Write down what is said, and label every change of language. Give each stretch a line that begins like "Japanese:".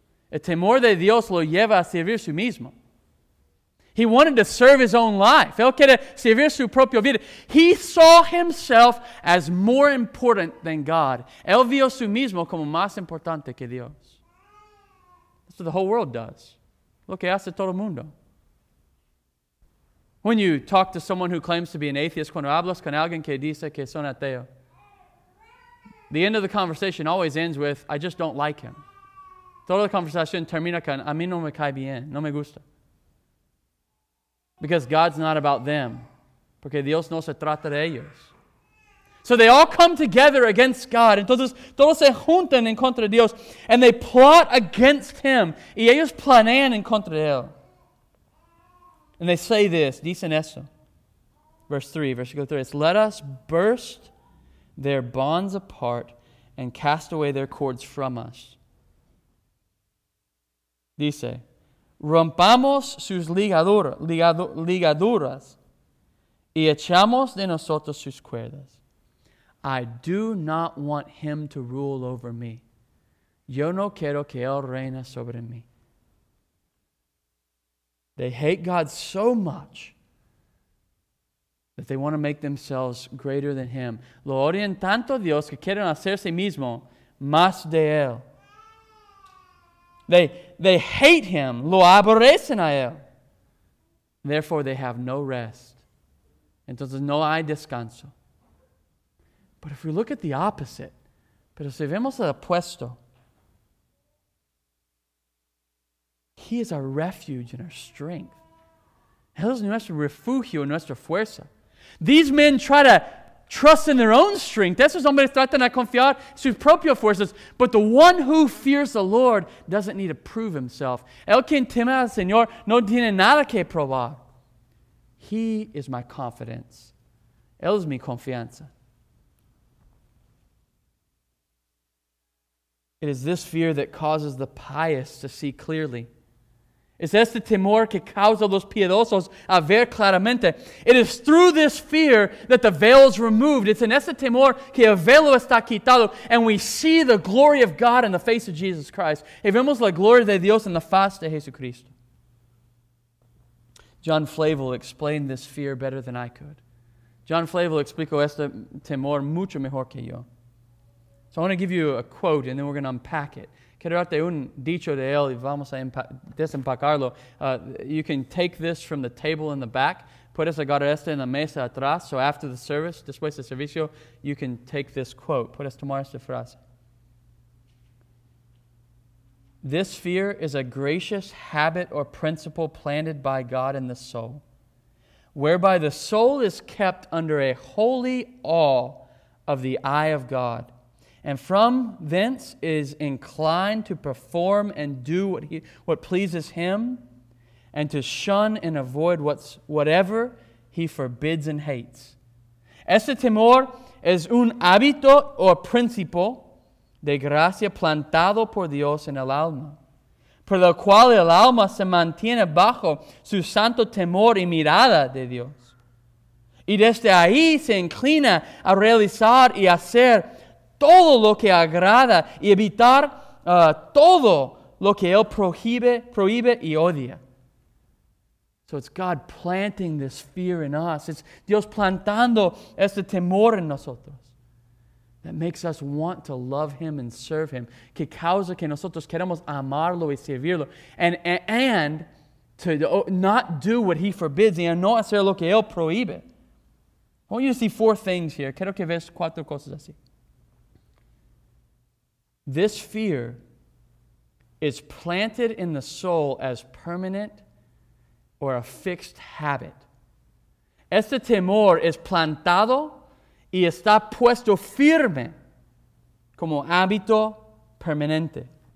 Spanish: El temor de Dios lo lleva a servir su mismo.
English: He wanted to serve His own life.
Spanish: Él quería servir su propia vida.
English: He saw Himself as more important than God.
Spanish: Él vio su mismo como más importante que Dios.
English: That's what the whole world does.
Spanish: Lo que hace todo el mundo.
English: When you talk to someone who claims to be an atheist,
Spanish: cuando hablas con alguien que dice que son ateo,
English: the end of the conversation always ends with, I just don't like him.
Spanish: Toda la conversación termina con, a mí no me cae bien, no me gusta.
English: Because God's not about them.
Spanish: Porque Dios no se trata de ellos.
English: So they all come together against God.
Spanish: Entonces, todos se juntan en contra de Dios.
English: And they plot against Him.
Spanish: Y ellos planean en contra de Él.
English: And they say this,
Spanish: dicen eso.
English: Verse 3. It's, let us burst their bonds apart and cast away their cords from us.
Spanish: Dice, rompamos sus ligaduras y echamos de nosotros sus cuerdas.
English: I do not want Him to rule over me.
Spanish: Yo no quiero que Él reine sobre mí.
English: They hate God so much that they want to make themselves greater than Him.
Spanish: Lo odian tanto a Dios que quieren hacerse mismo más de Él.
English: They hate Him.
Spanish: Lo aborrecen a Él.
English: Therefore, they have no rest.
Spanish: Entonces, no hay descanso.
English: But if we look at the opposite,
Spanish: pero si vemos el opuesto,
English: He is our refuge and our strength.
Spanish: Él es nuestro refugio, nuestra fuerza.
English: These men try to trust in their own strength.
Spanish: Esos hombres tratan de confiar sus propias fuerzas.
English: But the one who fears the Lord doesn't need to prove himself.
Spanish: El quien teme al Señor no tiene nada que probar.
English: He is my confidence.
Spanish: Él es mi confianza.
English: It is this fear that causes the pious to see clearly.
Spanish: Es este temor que causa los piedosos a ver claramente.
English: It is through this fear that the veil is removed. It's in
Spanish: este temor que el velo está quitado.
English: And we see the glory of God in the face of Jesus Christ.
Spanish: Y vemos la gloria de Dios en la faz de Jesucristo.
English: John Flavel explained this fear better than I could.
Spanish: John Flavel explicó este temor mucho mejor que yo.
English: So I want to give you a quote and then we're going to unpack it.
Spanish: Quiero darte un dicho de él y vamos a desempacarlo.
English: You can take this from the table in the back.
Spanish: Puedes agarrar esto en la mesa atrás.
English: So after the service,
Spanish: después del servicio,
English: you can take this quote.
Spanish: Puedes tomar esta frase.
English: This fear is a gracious habit or principle planted by God in the soul, whereby the soul is kept under a holy awe of the eye of God, and from thence is inclined to perform and do what pleases him, and to shun and avoid whatever he forbids and hates.
Spanish: Este temor es un hábito o principio de gracia plantado por Dios en el alma, por lo cual el alma se mantiene bajo su santo temor y mirada de Dios. Y desde ahí se inclina a realizar y hacer todo lo que agrada y evitar todo lo que él prohíbe y odia.
English: So it's God planting this fear in us. It's
Spanish: Dios plantando este temor en nosotros.
English: That makes us want to love him and serve him.
Spanish: Que causa que nosotros queremos amarlo y servirlo.
English: And to not do what he forbids
Spanish: y no hacer lo que él prohíbe.
English: I want you to see four things here.
Spanish: Quiero que veas cuatro cosas así.
English: This fear is planted in the soul as permanent or a fixed habit.
Spanish: Este temor es plantado y está puesto firme como hábito permanente.